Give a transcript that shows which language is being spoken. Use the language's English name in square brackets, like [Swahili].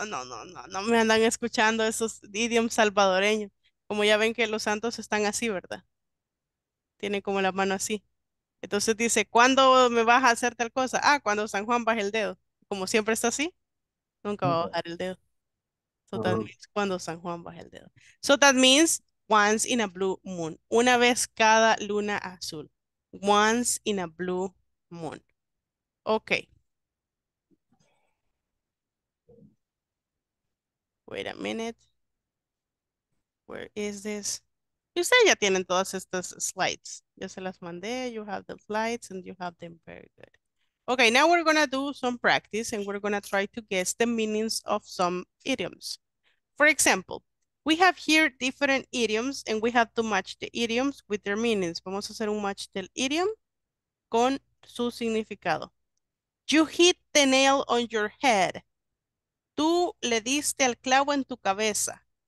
[Spanish] No, no, no, no me andan escuchando esos idioms salvadoreños. Como ya ven que los santos están así, ¿verdad? Tienen como la mano así. Entonces dice, ¿cuándo me vas a hacer tal cosa? Ah, cuando San Juan baja el dedo. Como siempre está así, nunca va a bajar el dedo. [English] So that means [Spanish] cuando San Juan baja el dedo. [English] So that means once in a blue moon. [Spanish] Una vez cada luna azul. [English] Once in a blue moon. [Spanish] Ok. [English] Wait a minute. Where is this? [Spanish] Ustedes ya tienen todas estas slides. Yo se las mandé. [English] You have the slides and you have them very good. Okay, now we're gonna do some practice and we're gonna try to guess the meanings of some idioms. For example, we have here different idioms and we have to match the idioms with their meanings. [Spanish] Vamos a hacer un match del idiom con su significado. [English] You hit the nail on your head. [Spanish] Tú le diste el clavo en tu cabeza.